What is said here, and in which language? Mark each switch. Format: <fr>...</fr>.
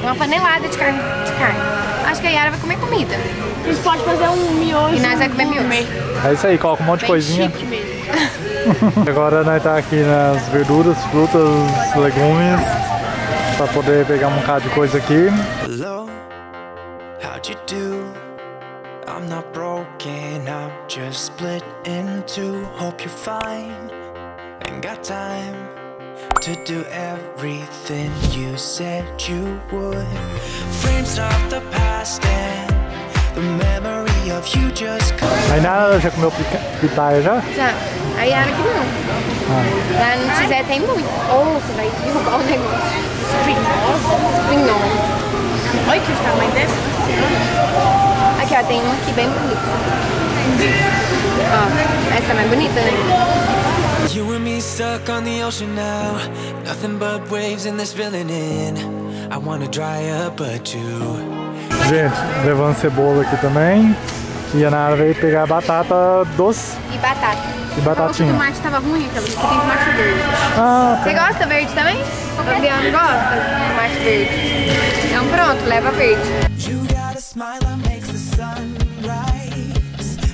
<pt>Uma panelada de carne. Acho que a Yara vai comer comida. A gente pode fazer um miojo. E nós vai comer miojo. É isso aí, coloca um monte bem de coisinha. Mesmo. Agora nós tá aqui nas verduras, frutas, legumes. Pra poder pegar um bocado de coisa aqui.</pt> <en>Hello, how'd you do? I'm not broken, I'm just split in two. Hope you're fine. And got time to do everything you said you would. Frames of the past and the memory of you just come.</en> <pt>Aí nada, já comeu pitaya já? Já. Aí era que não. Lá no Tizé tem muito. Oh, você vai derrubar o negócio. Espinhoso? Espinhoso. Olha que está mais dessa. Aqui, ó, tem um aqui bem bonito. Ó, essa é mais bonita, né?</pt> <en>You and me stuck on the ocean now. Nothing but waves and they're spilling in. I wanna dry up but you.</en> <pt>Gente, levando cebola aqui também. E a Nara veio pegar batata doce. E batata. E batatinha. O tomate tava ruim, então, porque tem tomate verde. Ah, você gosta verde também? O Adriano gosta de tomate verde. Então pronto, leva verde.</pt> <en>You got a smile that makes the sun rise.</en>